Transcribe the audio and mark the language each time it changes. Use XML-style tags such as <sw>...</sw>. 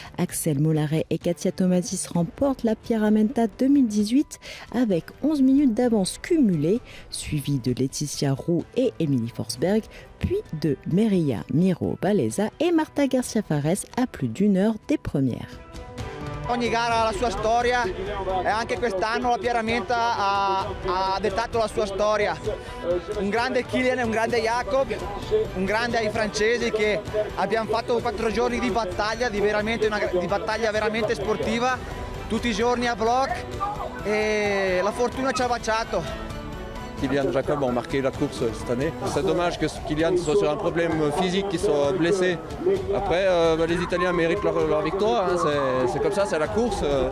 <fr>Axel Mollaret et Katia Tomasis remportent la Pyramenta 2018 avec 11 minutes d'avance cumulée, suivie de Laetitia Roux et Emilie Forsberg, puis de Merya Miró-Baleza et Marta Garcia-Fares à plus d'une heure des premières.</fr> <it>Ogni gara ha la sua storia e anche quest'anno la Pyramenta ha dettato la sua storia. Un grande Kylian e un grande Jakob, un grande ai francesi che abbiamo fatto 4 giorni di battaglia, di battaglia veramente sportiva, tutti i giorni a bloc e la fortuna ci ha baciato.</it> <fr>Kylian et Jakob ont marqué la course cette année. C'est dommage que Kylian soit sur un problème physique, qu'il soit blessé. Après, les Italiens méritent leur victoire. Hein. C'est comme ça, c'est la course.</fr>